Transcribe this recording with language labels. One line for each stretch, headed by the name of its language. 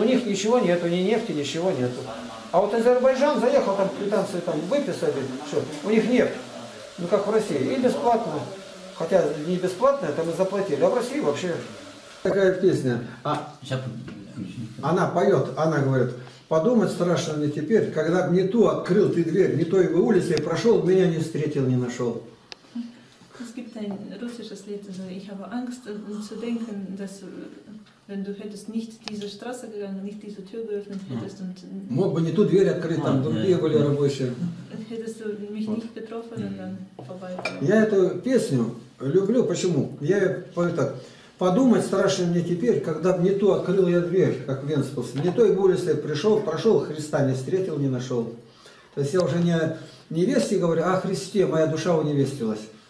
Russian: У них ничего нету, ни нефти, ничего нету. А вот Азербайджан заехал, там квитанции там выписали, все. У них нефть. Ну как в России. И бесплатно. Хотя не бесплатно, это мы заплатили. А в России вообще. Такая песня. Она поет, она говорит. Подумать страшно мне теперь, когда не ту открыл ты дверь, не той бы улицей прошел, меня не встретил, не нашел.
German: Es gibt ein russisches Lied, also ich habe Angst zu denken, dass wenn du hättest nicht diese Straße gegangen, nicht diese Tür geöffnet hättest und
Russian: мог бы не ту дверь открыть, там другие были рабочие.
German: Hättest du mich nicht getroffen und dann vorbei.
Russian: Я эту песню люблю, почему? Я ее пою так. Подумать страшно мне теперь, когда не то открыл я дверь, как Венспус, не той улице пришел, прошел Христа, не встретил, не нашел. То есть я уже не о невесте говорю, а о Христе, моя душа уневестилась.